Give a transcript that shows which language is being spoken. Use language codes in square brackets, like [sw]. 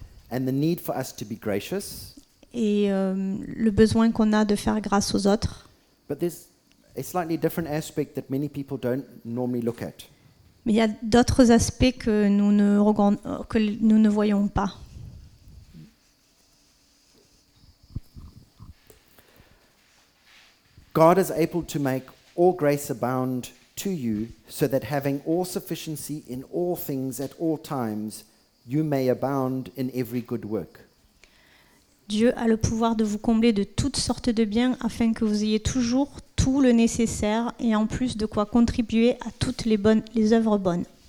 [en] And the need for us to be gracious. [fr] Et le besoin qu'on a de faire grâce aux autres. [en] But there's a slightly different aspect that many people don't normally look at. [fr] Mais il y a d'autres aspects que nous ne voyons pas. [en] God is able to make all grace abound to you, so that having all sufficiency in all things at all times, you may abound in every good work. [fr] Dieu a le pouvoir de vous combler de toutes sortes de biens afin que vous ayez toujours tout le nécessaire et en plus de quoi contribuer à toutes les œuvres bonnes.